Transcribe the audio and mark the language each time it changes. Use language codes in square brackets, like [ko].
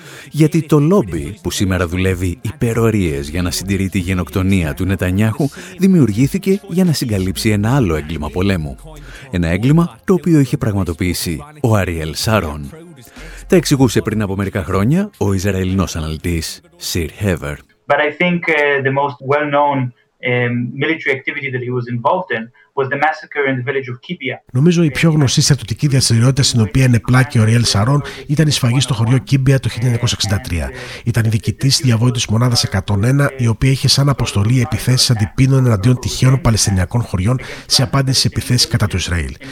[el] Γιατί το λόμπι που σήμερα δουλεύει υπερορίες για να συντηρεί τη γενοκτονία του Νετανιάχου δημιουργήθηκε για να συγκαλύψει ένα άλλο έγκλημα πολέμου. Ένα έγκλημα το οποίο είχε πραγματοποιήσει ο Αριέλ Σαρόν. Τα εξηγούσε πριν από μερικά χρόνια ο Ισραηλινός αναλυτής Σιρ Χέβερ. [en] But I think the most well-known military activity that he was involved in was the massacre in the village of Kibia. [el] Νομίζω η πιο γνωστή στρατιωτική δραστηριότητα στην οποία ενεπλάκη ο Αριέλ Σαρόν ήταν η σφαγή στο χωριό Κίμπια το 1963. Ήταν διοικητής διαβόητης μονάδας 101, η οποία είχε σαν αποστολή επιθέσεις αντιπίνων εναντίον τυχαίων παλαιστινιακών χωριών σε απάντηση σε επιθέσεις κατά του Ισραήλ.